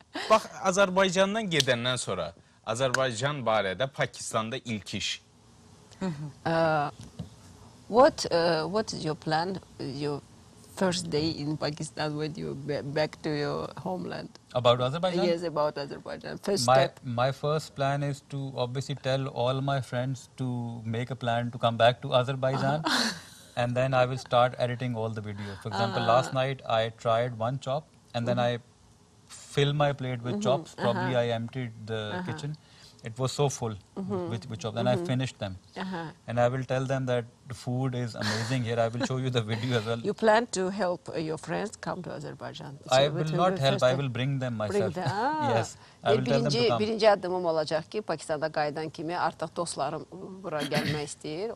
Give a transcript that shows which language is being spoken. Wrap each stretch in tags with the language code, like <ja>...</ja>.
<az>Bax, Azərbaycandan gedəndən sonra, Azərbaycan barədə Pakistanda ilk iş.</az> <en>What is your plan, your first day in Pakistan when you back to your homeland? About Azerbaijan? Yes, about Azerbaijan. First My first plan is to obviously tell all my friends to make a plan to come back to Azerbaijan. Uh-huh. And then I will start editing all the videos. For example, uh-huh. last night I tried one chop and uh-huh. then I filled my plate with uh-huh. chops. Probably uh-huh. I emptied the uh-huh. kitchen. It was so full uh-huh. with chops. And uh-huh. I finished them. Uh-huh. And I will tell them that the food is amazing here. I will show you the video as well. You plan to help your friends come to Azerbaijan? So I will not help. I will bring them myself. Bring them. Yes.</en> <az>Birinci adımım olacak ki Pakistan'da qayıdan kimi artık dostlarım bura gelmek istiyor.</az>